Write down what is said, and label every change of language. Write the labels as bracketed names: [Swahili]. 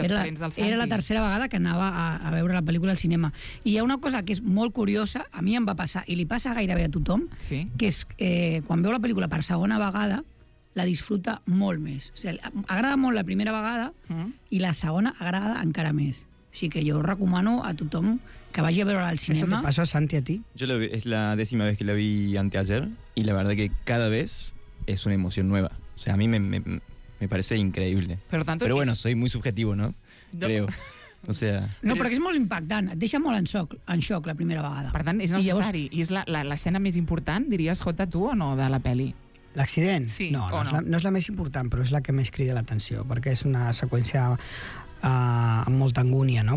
[Catalan] era la tercera vegada que anava a veure la pel·lícula al cinema. I hi ha una cosa que és molt curiosa, a mi em va passar, i li passa gairebé a tothom, sí. que és quan veu la pel·lícula per segona vegada, la disfruta molt més. O sigui, agrada molt la primera vegada, i la segona agrada encara més. Així que jo recomano a tothom que vagi a veure-la al cinema. [Spanish] ¿Eso te pasó, Santi, a ti? Es la décima vez que la vi anteayer y la verdad que cada vez es una emoción nueva. O sea, a mí me parece increíble. Pero bueno, soy muy subjetivo, ¿no? Creo. O sea... [Catalan] No, perquè és molt impactant, et deixa molt en xoc la primera vegada. Per tant, és necessari. I, llavors... I és l'escena més important, diries, Jota, tu o no, de la peli? L'accident? Sí, no, no. No és la més important, però és la que més crida l'atenció, perquè és una seqüència amb molta angúnia, no?